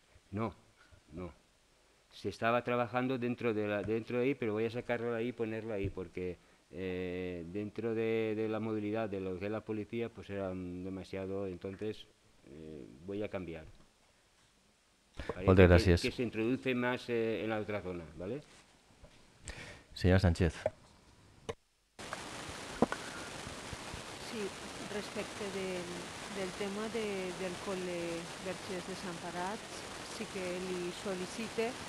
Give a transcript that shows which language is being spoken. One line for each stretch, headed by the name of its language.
Catalan: No, no. Se estava treballant dentro d'ahí, però vaig a sacar-la ahí i posar-la ahí, perquè dentro de la mobilitat de lo que és la policia,
Spanish: pues era demasiado, entonces voy a cambiar.
Catalan: Moltes gràcies.
Spanish: Que s'introduce más en la otra zona, ¿vale?
Catalan: Senyora Sánchez. Sí, respecte del tema del col·le Verges Desamparats, sí que li sol·licite...